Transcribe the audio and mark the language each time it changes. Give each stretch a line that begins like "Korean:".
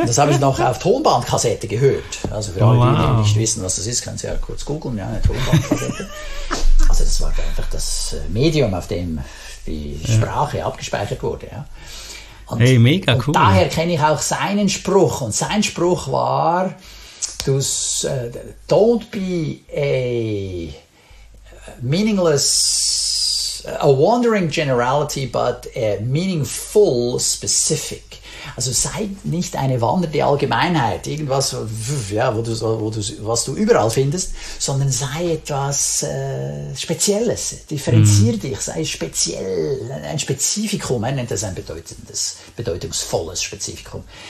German: Und das habe ich noch auf Tonbandkassette gehört. Also für alle, die nicht wissen, was das ist, können Sie ja kurz googeln, ja, eine Tonbandkassette. Also das war einfach das Medium, auf dem die Sprache abgespeichert wurde, ja. Und, hey, mega cool. Und daher kenne ich auch seinen Spruch. Und sein Spruch war,
English: don't be a meaningless, a wandering generality, but a meaningful specific.
German: Also sei nicht eine wandernde Allgemeinheit, irgendwas, ja, was du überall findest, sondern sei etwas Spezielles, differenzier dich, sei speziell, ein Spezifikum, er nennt das ein bedeutungsvolles Spezifikum.